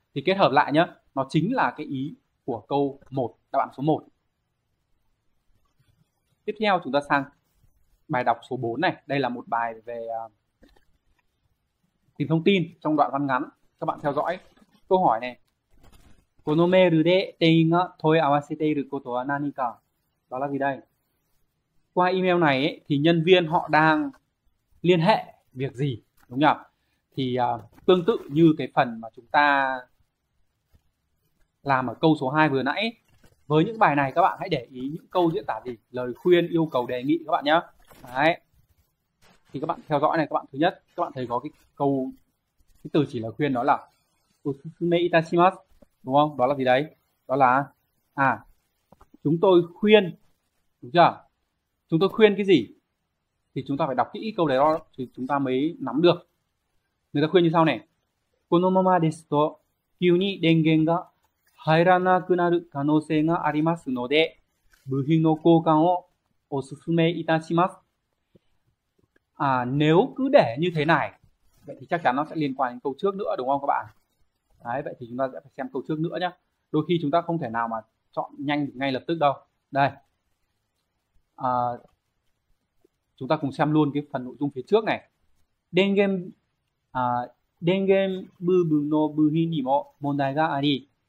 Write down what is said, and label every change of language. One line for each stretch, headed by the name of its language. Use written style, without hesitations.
Vietnamese: Thì kết hợp lại nhá, nó chính là cái ý của câu 1, đáp án số 1. Tiếp theo chúng ta sang bài đọc số 4 này. Đây là một bài về tìm thông tin trong đoạn văn ngắn. Các bạn theo dõi câu hỏi này.
Japanese: このメールで店員が問い合わせていることは何か?
Vietnamese: Đó là gì đây? Qua email này ấy, thì nhân viên họ đang liên hệ việc gì? Đúng nhỉ? Thì tương tự như cái phần mà chúng ta làm ở câu số 2 vừa nãy. Với những bài này các bạn hãy để ý những câu diễn tả gì, lời khuyên, yêu cầu, đề nghị các bạn nhé. Đấy. Thì các bạn theo dõi này, các bạn thứ nhất, các bạn thấy có cái câu, cái từ chỉ lời khuyên đó là
Japanese: Osusume itashimasu.
Vietnamese: Đúng không? Đó là gì đấy? Đó là chúng tôi khuyên, đúng chưa? Chúng tôi khuyên cái gì? Thì chúng ta phải đọc kỹ câu đấy đó thì chúng ta mới nắm được. Người ta khuyên như sau này.
Japanese: このままですと、急に電源が入らなくなる可能性がありますので、部品の交換をお勧めいたします。
Vietnamese: Nếu cứ để như thế này Vậy thì chắc chắn nó sẽ liên quan đến câu trước nữa đúng không các bạn? Đấy, vậy thì chúng ta sẽ phải xem câu trước nữa nhé. Đôi khi chúng ta không thể nào mà chọn nhanh ngay lập tức đâu. Đây. Chúng ta cùng xem luôn cái phần nội dung phía trước này.
Japanese: Dengen dengen bubun no buhin ni mo mondai ga ari.